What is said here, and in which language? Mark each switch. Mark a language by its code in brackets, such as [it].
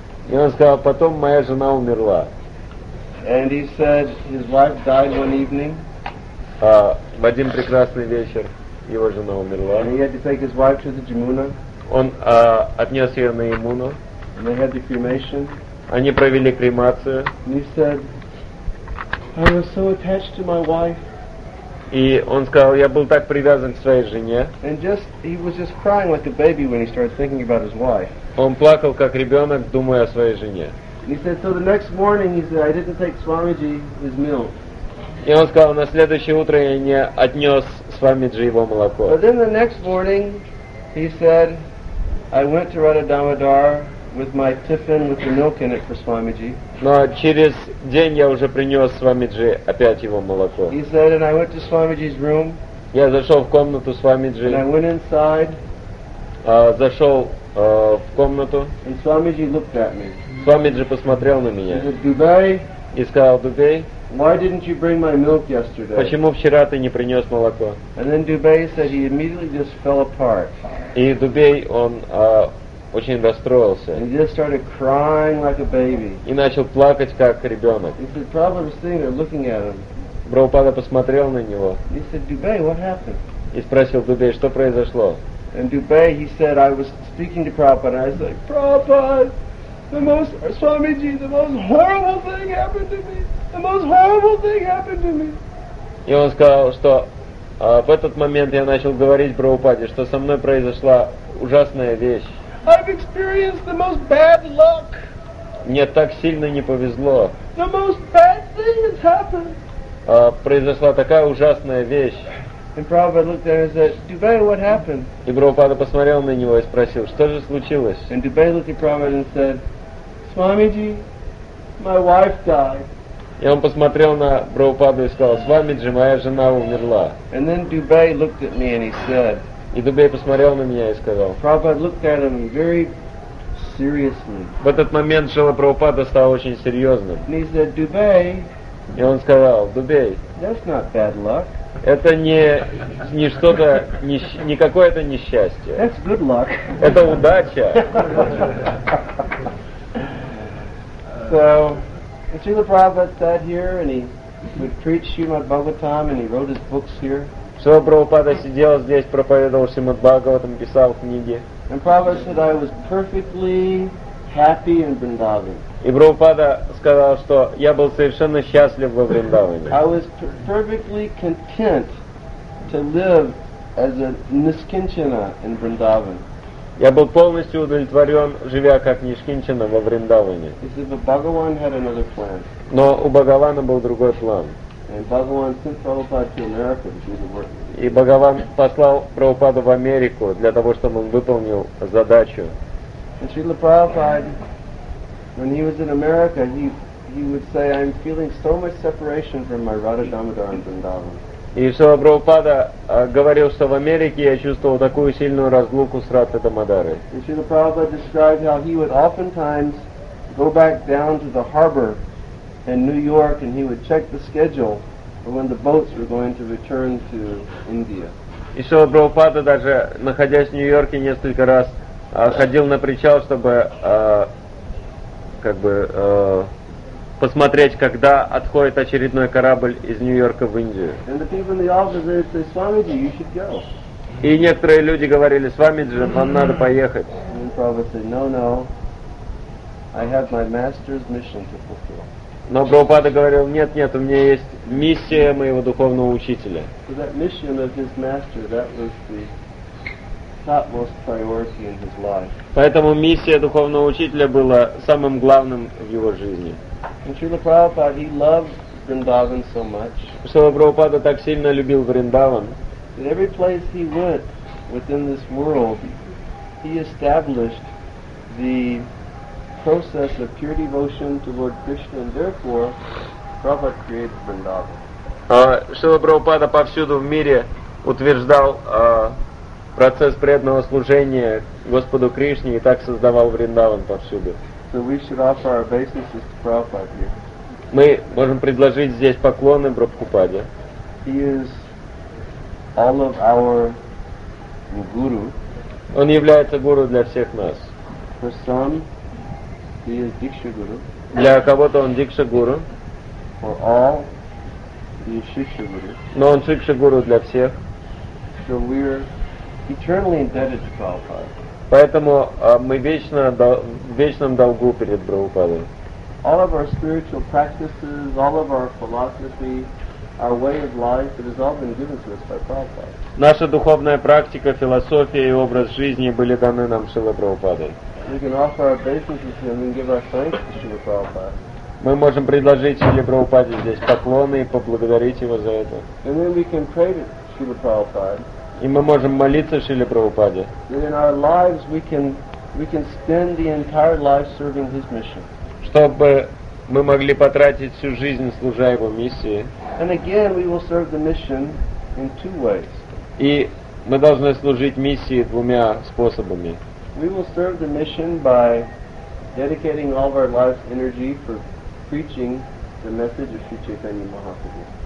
[ru] И он сказал, потом моя жена умерла. [en] And he said his wife died one evening. [ru] В один прекрасный вечер его жена умерла. [en] And he had to take his wife to the Jamuna. [ru] Он отнес ее на Ямуну. [en] And they had the cremation. [ru] Они провели кремацию. [en] And he said, I was so attached to my wife. [ru] И он сказал, я был так привязан к своей жене. [en] And just he was just crying like a baby when he started thinking about his wife. [ru] Он плакал как ребенок, думая о своей жене. [en] He said, so the next morning he said, I didn't take Swamiji his milk. [ru] И он сказал, на следующее утро я не отнес Свамиджи его молоко. [en] But then the next morning he said, I went to Radha Damodar with my tiffin with the milk in it for Swamiji. [ru] Но через день я уже принес Свамиджи опять его молоко. [en] He said, and I went to Swamiji's room. [ru] Я зашел в комнату Свамиджи. [en] And I went inside. [ru] Зашел в комнату. [en] And Swamiji looked at me. [ru] Свамиджи посмотрел на меня. [en] He said, Dubey. [ru] И сказал, Дубей. [en] Why didn't you bring my milk yesterday? [ru] Почему вчера ты не принес молоко? [en] And then Dubey said he immediately just fell apart. [ru] И Дубей он очень расстроился. [en] And he just started crying like a baby. [ru] И начал плакать как ребенок. [en] He said, Prabhupada was sitting there looking at him. [ru] Прабхупада посмотрел на него. [en] He said, Dubey, what happened? [ru] И спросил Дубей, что произошло? [en] And Dubey, he said, I was speaking to Prabhupada. And I was like, Prabhupada, Swamiji, the most horrible thing happened to me. The most horrible thing happened to me. [ru] И он сказал, что в этот момент я начал говорить Прабхупаде, что со мной произошла ужасная вещь. [en] I've experienced the most bad luck. [ru] Мне так сильно не повезло. [en] The most bad thing has happened. [ru] Произошла такая ужасная вещь. [en] And Prabhupada looked at him and said, Dubey, what happened? [ru] И Прабхупада посмотрел на него и спросил, что же случилось? [en] And Dubey looked at Prabhupada and said, Swamiji, my wife died. [ru] И он посмотрел на Прабхупаду и сказал, Свамиджи, моя жена умерла. [en] And then Dubey looked at me and he said, [ru] и Дубей посмотрел на меня и сказал. [en] Prabhupada looked at him very seriously. [ru] В этот момент Шрила Прабхупада стал очень серьезным. [en] And he said, Dubey. [ru] И он сказал, Дубей. [en] That's not bad luck. [ru] Это не что-то, не какое-то несчастье. [en] That's good luck. [ru] Это удача. [en] So, Shrila Prabhupada sat here and he would preach Srimad Bhagavatam and he wrote his books here. [ru] Шрила Прабхупада сидел здесь, проповедовал Шримад Бхагаватам, писал книги. [en] And Prabhupada said I was perfectly happy in Vrindavan. [ru] И Прабхупада сказал, что я был совершенно счастлив во Вриндаване. [en] I was perfectly content to live as a Niskinchana in Vrindavan. [ru] Я был полностью удовлетворен, живя как Нишкинчана во Вриндаване. [en] He said, but Bhagavan had another plan. [ru] Но у Бхагавана был другой план. [en] And Bhagavan sent Prabhupada to America to do the work. [ru] И Бхагаван послал Прабхупаду в Америку для того, чтобы он выполнил задачу. [en] And Srila Prabhupada, when he was in America, he would say, I'm feeling so much separation from my Radha Damodar and Vrindavan. [ru] И Шрила Прабхупада говорил, что в Америке я чувствовал такую сильную разлуку с Радха Дамодарой. [en] And Srila Prabhupada described how he would oftentimes go back down to the harbor in New York and he would check the schedule for when the boats were going to return to India. [ru] И Шрила Прабхупада даже находясь в Нью-Йорке несколько раз ходил на причал, чтобы посмотреть, когда отходит очередной корабль из Нью-Йорка в Индию. [en] And the people in the office would say, Swamiji, you should go. [ru] И некоторые люди говорили, Свамиджи, вам надо поехать. [en] And then Prabhupada said, no, I have my master's mission to fulfill. [ru] Но Прабхупада говорил, нет, у меня есть миссия моего духовного учителя. [en] So that mission of his master, that was the top most priority in his life. [ru] Поэтому миссия духовного учителя была самым главным в его жизни. [en] And Srila Prabhupada, he loved Vrindavan so much. [ru] Шрила Прабхупада так сильно любил Вриндаван. [en] That every place he went within this world, he established the process of pure devotion toward Krishna, and therefore Prabhupada created Vrindavan. [ru] Шрила Прабхупада повсюду в мире утверждал процесс преданного служения Господу Кришне и так создавал Вриндаван повсюду. [en] So we should offer our obeisances to Prabhupada here. [ru] Мы можем предложить здесь поклоны Прабхупаде. [en] He is all of our guru. [ru] Он является гуру для всех нас. [en] For some, he is Diksha guru. [ru] Для кого-то он Дикша гуру. [en] For all, he is Shiksha guru. [ru] Но он Шикша гуру для всех. [en] So we are eternally indebted to Prabhupada. [ru] Поэтому мы вечно в вечном долгу перед Прабхупадой. [en] All of our spiritual practices, all of our philosophy, our way of life, it has all been given to us by Prabhupada. [ru] Наша духовная практика, философия и образ жизни были даны нам Шрилой Прабхупадой. [en] We can offer our obeisances to him and give our thanks to Шрила Прабхупада. [ru] Мы можем предложить Шриле Прабхупаде здесь поклоны и поблагодарить его за это. [en] And then we can pray to Шрила Прабхупада. [ru] И мы можем молиться Шриле Прабхупаде. [en] And in our lives we can spend the entire life serving his mission. [ru] Чтобы мы могли потратить всю жизнь, служа его миссии. [en] And again, we will serve the mission in two ways. [ru] И мы должны служить миссии двумя способами. [en] We will serve the mission by dedicating all of our life's energy for preaching the message of Sri Chaitanya Mahaprabhu.